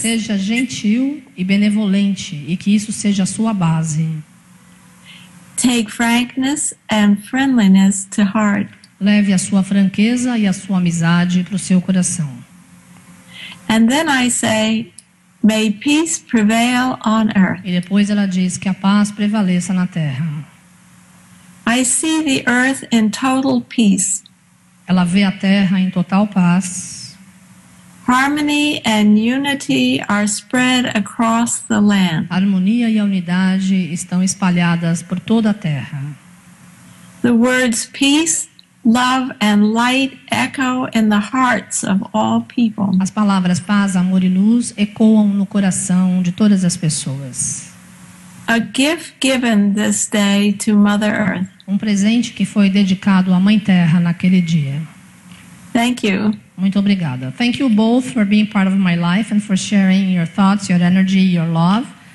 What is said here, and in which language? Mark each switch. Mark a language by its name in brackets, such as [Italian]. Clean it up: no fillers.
[Portuguese] Seja gentil e benevolente e que isso seja a sua base. [English] Take frankness and friendliness to heart. [Portuguese] Leve a sua franqueza e a sua amizade para o seu coração. [English] And then I say, may peace prevail on earth. [Portuguese] E depois ela diz que a paz prevaleça na terra. [English] I see the earth in total peace. [Portuguese] Ela vê a terra em total paz. [English] Harmony and unity are spread across the land. [Portuguese] Harmonia e a unidade estão espalhadas por toda a terra. [English] The words peace, love and light echo in the hearts of all people. [Portuguese] As palavras paz, amor e luz ecoam no coração de todas as pessoas. [English] A gift given this day to Mother Earth. [Portuguese] Um presente que foi dedicado à Mãe Terra naquele dia. [English] Thank you. [Portuguese] Muito obrigada. [English] Thank you both for being part of my life and for sharing your thoughts, your energy, your love.